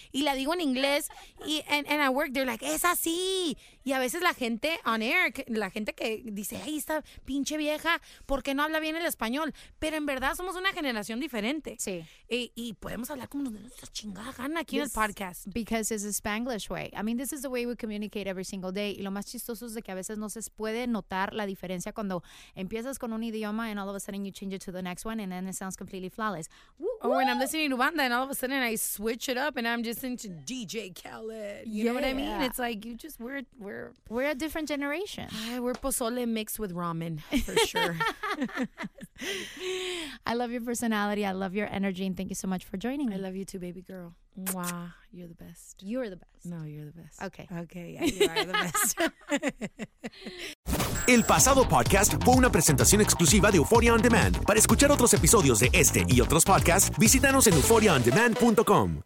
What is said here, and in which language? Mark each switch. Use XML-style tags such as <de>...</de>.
<es>Y la digo en inglés, y,</es> <en>and I work,</en> <es>they're like, es así, y a veces la gente on air, la gente que dice, hey, esta pinche vieja, ¿por qué no habla bien el español? Pero en verdad somos una generación diferente. Sí. Y podemos hablar como de nuestra chingada gana aquí en el podcast.</es> <en>Because it's a Spanglish way. I mean, this is the way we communicate every single day.</en> <es>Y lo más chistoso es de que a veces no se puede notar la diferencia cuando empiezas con un idioma</es> <en>and all of a sudden you change it to the next one and then it sounds completely flawless. Oh, when I'm listening to banda and all of a sudden I switch it up and I'm just into DJ Khaled. You know what I mean? It's like, you just, we're a different generation. We're pozole mixed with ramen, for sure. I love your personality. I love your energy. And thank you so much for joining me. I love you too, baby girl. Mwah. You're the best. You're the best. No, you're the best. Okay. Okay, yeah, you are the best.</en> <es>El pasado podcast fue una presentación exclusiva de Euphoria On Demand. Para escuchar otros episodios de este y otros podcasts, visítanos en euphoriaondemand.com.</es>